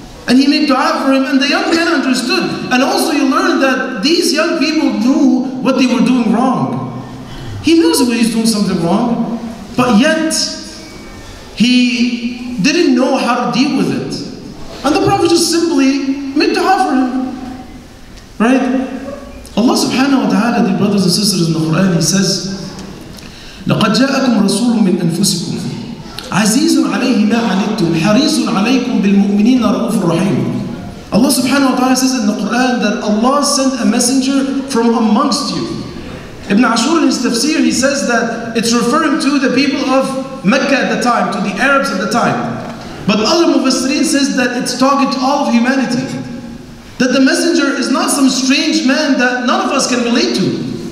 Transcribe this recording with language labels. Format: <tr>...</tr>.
<en>And he made dua for him, and the young man understood. And also you learn that these young people knew what they were doing wrong. He knows that he's doing something wrong, but yet he didn't know how to deal with it. And the Prophet just simply made dua for him. Right? Allah subhanahu wa ta'ala, the brothers and sisters in the Quran, he says,</en> <ar>لَقَدْ جَاءَكُمْ رَسُولٌ مِّنْ أَنفُسِكُمْ عَزِيزٌ عَلَيْهِ مَا عَنِدْتُمْ حَرِيصٌ عَلَيْكُمْ بِالْمُؤْمِنِينَ رَؤُوفٌ رَحِيمٌ.</ar> <en>Allah subhanahu wa ta'ala says in the Quran that Allah sent a messenger from amongst you. Ibn Ashur in his tafsir, he says that it's referring to the people of Mecca at the time, to the Arabs at the time. But other Mufassirin says that it's talking to all of humanity. That the messenger is not some strange man that none of us can relate to.</en>